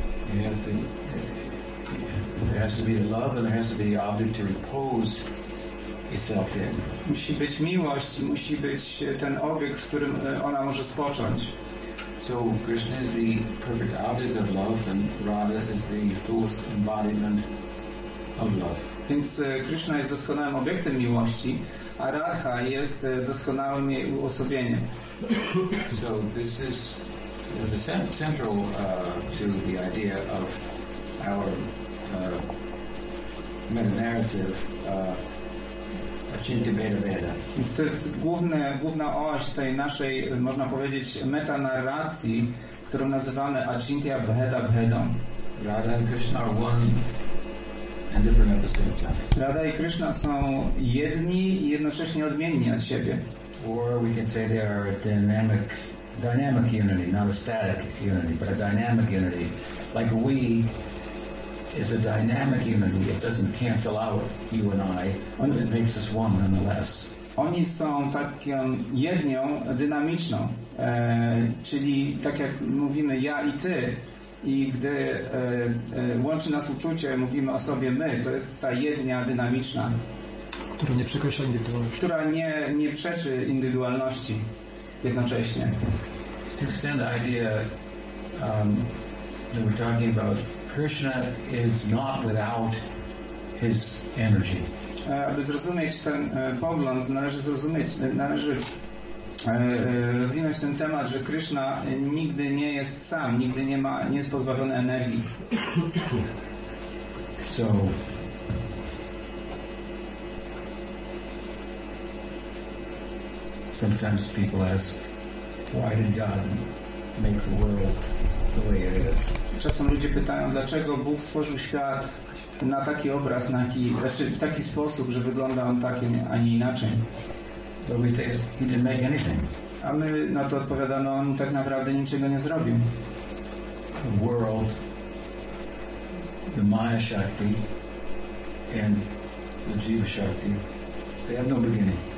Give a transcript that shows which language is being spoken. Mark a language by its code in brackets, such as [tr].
[en] There has to be a love, and there has to be an object to repose itself in. [pl] Musi być miłość, musi być ten obiekt, w którym ona może spocząć. [en] So Krishna is the perfect object of love, and Radha is the full embodiment of love. [pl] Więc Krishna jest doskonałym obiektem miłości, a Radha jest doskonałym jej uosobieniem. [en] So this is the central to the idea of our meta-narrative, Chintaveda-Veda. [pl] Więc to jest główna oś tej naszej, można powiedzieć, metanarracji, którą nazywamy Achintya-Veda-Vedą. [en] Radha and Krishna are one and different at the same time. [pl] Radha i Krishna są jedni i jednocześnie odmienni od siebie. [en] Or we can say they are a dynamic unity, not a static unity, but a dynamic unity. Like we is a dynamic unity. It doesn't cancel out you and I, but it makes us one nonetheless. [pl] Oni są taką jednią dynamiczną, czyli tak jak mówimy ja i ty, i gdy łączy nas uczucie, mówimy o sobie my, to jest ta jednia dynamiczna, która nie przekreśla indywidualności. Która nie przeczy indywidualności jednocześnie. [en] To extend the idea that we're talking about, Krishna is not without his energy. [pl] Aby zrozumieć ten pogląd, należy rozwinąć ten temat, że Krishna nigdy nie jest sam, nigdy nie jest pozbawiony energii. [en] So sometimes people ask, why did God make the world the way it is? [pl] Czasem ludzie pytają, dlaczego Bóg stworzył świat na taki obraz, w taki sposób, że wygląda on takim, a nie inaczej. [en] But we say, he didn't make anything. [pl] A my na to odpowiadamy, on tak naprawdę niczego nie zrobił. [en] The world, the Maya Shakti and the Jiva Shakti, they have no beginning.